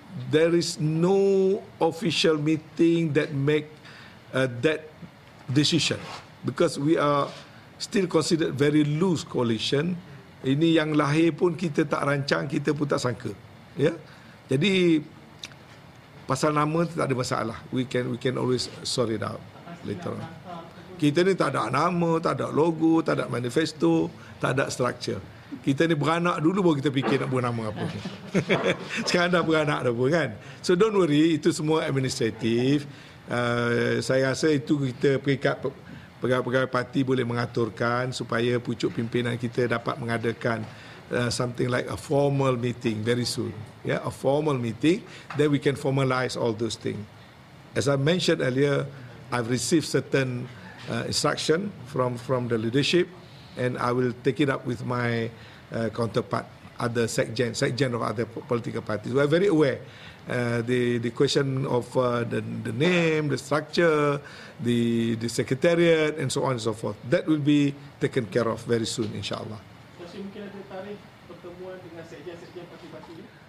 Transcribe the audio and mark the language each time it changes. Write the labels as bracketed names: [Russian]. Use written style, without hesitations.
[English] There is no official meeting that make that decision because we are still considered very loose coalition. [Malay] Ini yang lahir pun kita tak rancang, kita pun tak sangka. Yeah? Jadi pasal nama tak ada masalah. [English] We can always sort it out later on. [Malay] Kita ni tak ada nama, tak ada logo, tak ada manifesto, tak ada structure. Kita ni beranak dulu baru kita fikir nak buat nama apa. Sekarang dah beranak dah pun kan. [English] So don't worry, [Malay] itu semua administratif. Saya rasa itu kita peringkat pegawai-pegawai parti boleh mengaturkan supaya pucuk pimpinan kita dapat mengadakan [English] something like a formal meeting very soon. Yeah, a formal meeting, then we can formalize all those things. As I mentioned earlier, I've received certain instruction from the leadership and I will take it up with my counterpart, other sekjen of other political parties. We are very aware the question of the name, the structure, the secretariat and so on and so forth. That will be taken care of very soon, insyaAllah. [Malay] Masih mungkin ada tarikh pertemuan dengan sekjen-sekjen parti-parti ini?